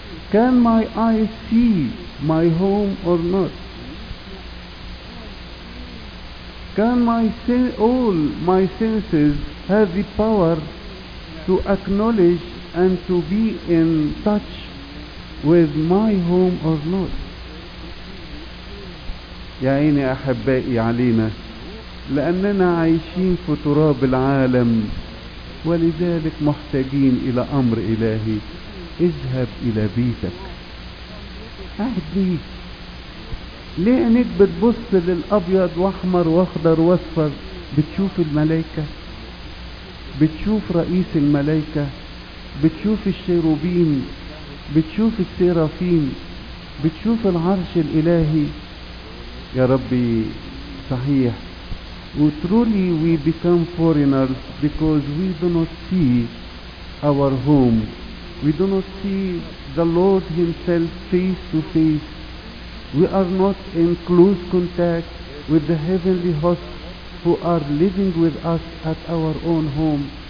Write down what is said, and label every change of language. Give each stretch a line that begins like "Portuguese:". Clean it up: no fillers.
English: Can my eyes see my home or not? Can my all my senses have the power to acknowledge and to be in touch with my home or not?
Arabic: يا عيني أحبائي علينا لأننا عايشين في تراب العالم ولذلك محتاجين إلى أمر إلهي. اذهب إلى بيتك. أهدي ليه عينيك بتبص للأبيض وأحمر وأخضر وأصفر؟ بتشوف الملائكة، بتشوف رئيس الملائكة، بتشوف الشيروبين، بتشوف السيرافين، بتشوف العرش الإلهي. يا ربي صحيح. وترولي
English: we become foreigners because we do not see our home. We do not see the Lord himself face to face. We are not in close contact with the heavenly hosts who are living with us at our own home.